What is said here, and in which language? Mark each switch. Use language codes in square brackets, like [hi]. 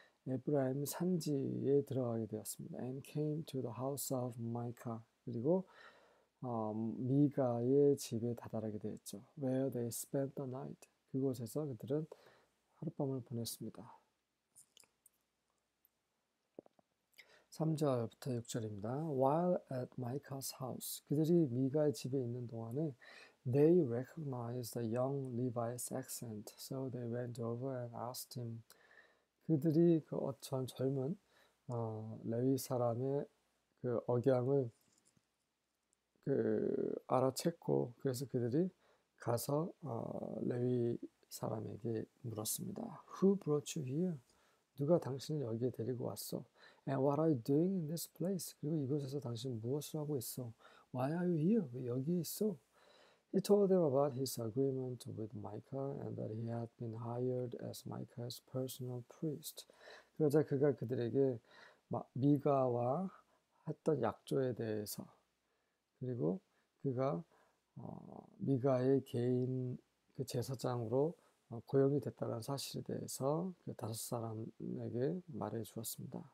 [ko] 에브라임 산지에 들어가게 되었습니다. [en] And came to the house of Micah. [ko] 그리고 미가의 집에 다다르게 되었죠. [en] Where they spent the night. [ko] 그곳에서 그들은 하룻밤을 보냈습니다. 3절부터 6절입니다. [en] While at Micah's house, [ko] 그들이 미가의 집에 있는 동안에 [en] they recognized the young Levite's accent, so they went over and asked him. [ko] 그들이 그 어떤 젊은 레위 사람의 그 억양을 알아챘고, 그래서 그들이 가서 레위 사람에게 물었습니다. [en] Who brought you here? [ko] 누가 당신을 여기에 데리고 왔어? [en] And what are you doing in this place? [ko] 그리고 이곳에서 당신은 무엇을 하고 있어? [en] Why are you here? [ko] 왜 여기 있어? [en] He told them about his agreement with Micah and that he had been hired as Micah's personal priest. [ko] 그러자 그가 그들에게 미가와 했던 약조에 대해서, 그리고 그가 미가의 개인 그 제사장으로 고용이 됐다는 사실에 대해서 그 다섯 사람에게 말해 주었습니다.